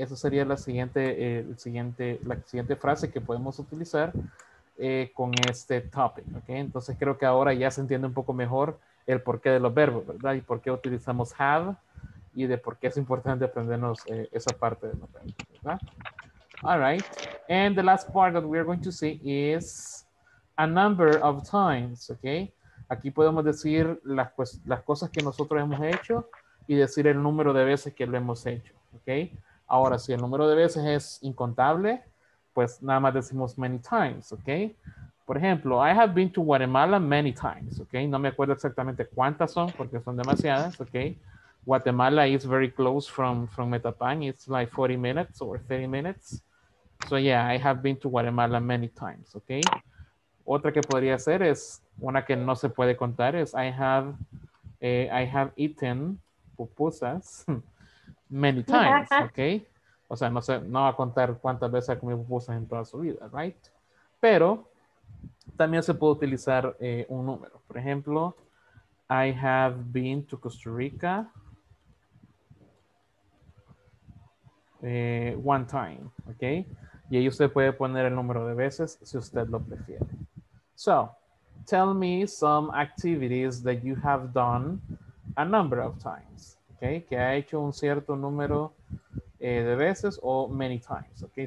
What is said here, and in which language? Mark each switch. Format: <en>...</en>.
<es>Esa sería la siguiente, la siguiente frase que podemos utilizar con este topic, okay? Entonces creo que ahora ya se entiende un poco mejor el porqué de los verbos, ¿verdad? Y por qué utilizamos have y de por qué es importante aprendernos esa parte de los verbos, ¿verdad?</es> <en>All right. And the last part that we are going to see is a number of times, okay?</en> <es>Aquí podemos decir las, pues, las cosas que nosotros hemos hecho y decir el número de veces que lo hemos hecho, okay? Ahora, si el número de veces es incontable, pues nada más decimos many times, okay? Por ejemplo,</es> <en>I have been to Guatemala many times, okay?</en> <es>No me acuerdo exactamente cuántas son porque son demasiadas, okay?</es> <en>Guatemala is very close from Metapan. It's like 40 minutes or 30 minutes. So yeah, I have been to Guatemala many times, okay?</en> <es>Otra que podría ser es, una que no se puede contar es,</es> <en>I have eaten pupusas many times,</en> <es>okay? O sea, no sé, no va a contar cuántas veces ha comido pupusas en toda su vida, right? Pero también se puede utilizar un número. Por ejemplo,</es> <en>I have been to Costa Rica one time, okay?</en> <es>Y ahí usted puede poner el número de veces si usted lo prefiere.</es> <en>So, tell me some activities that you have done a number of times, okay?</en> <es>Que ha hecho un cierto número de veces o many times, okay?</es>